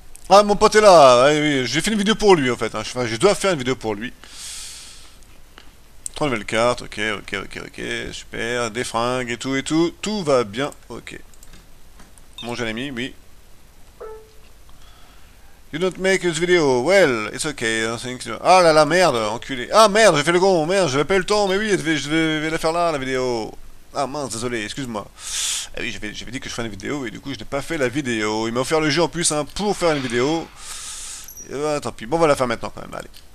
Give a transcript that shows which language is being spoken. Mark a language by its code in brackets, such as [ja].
[fr] Ah, mon pote est là. J'ai fait une vidéo pour lui, en fait. Enfin, je dois faire une vidéo pour lui. Prendre le carte, ok, super, des fringues et tout, tout va bien, ok. Mon jeune ami, oui. [en] You don't make this video, well, it's okay. [fr] Ah là là, merde, enculé. Ah merde, j'ai fait le con, merde, j'avais pas eu le temps, mais oui, je vais la faire là, la vidéo. Ah mince, désolé, excuse-moi. Ah oui, j'avais dit que je ferais une vidéo, et du coup, je n'ai pas fait la vidéo. Il m'a offert le jeu en plus, hein, pour faire une vidéo. Et bah, tant pis, bon, on va la faire maintenant quand même, allez.